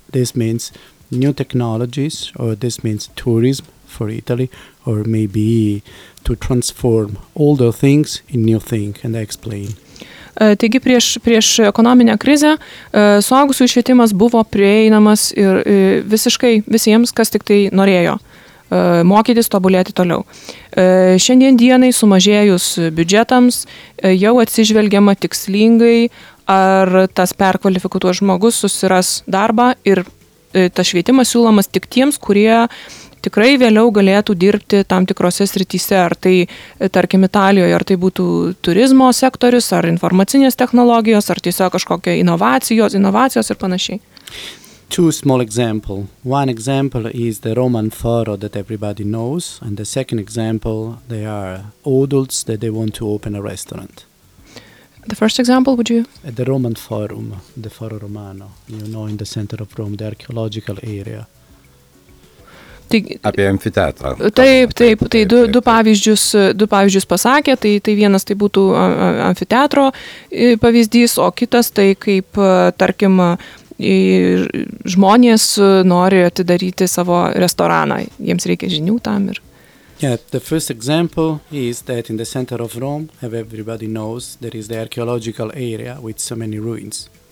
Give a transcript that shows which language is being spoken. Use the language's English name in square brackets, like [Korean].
[English] This means new technologies, or this means tourism for Italy, or maybe to transform older things in new thing, and I explain. [Lithuanian] Taigi prieš ekonominę krizę suaugusių švietimas buvo prieinamas ir visiškai visiems, kas tik tai norėjo. Mokytis, tobulėti toliau. Šiandien dienai sumažėjus biudžetams jau atsižvelgiama tikslingai, ar tas perkvalifikuotas žmogus susiras darbą ir tas švietimas siūlomas tik tiems, kurie tikrai vėliau galėtų dirbti tam tikrose srityse, ar tai, tarkim, Italijoje, ar tai būtų turizmo sektorius, ar informacinės technologijos, ar tiesiog kažkokia inovacijos ir panašiai. [English] Two small examples. One example is the Roman Foro that everybody knows, and the second example, they are adults that they want to open a restaurant. The first example, would you? At the Roman Forum, the Foro Romano, you know, in the center of Rome, the archaeological area. [Lithuanian] Apie amfiteatrą. Taip, du pavyzdžius pasakė, tai vienas tai būtų amfiteatro pavyzdys, o kitas tai kaip, tarkim, žmonės nori atidaryti savo restoraną. Jiems reikia žinių tam ir... [English] Yeah, the first example is that in the center of Rome, as everybody knows, there is the archaeological area with so many ruins.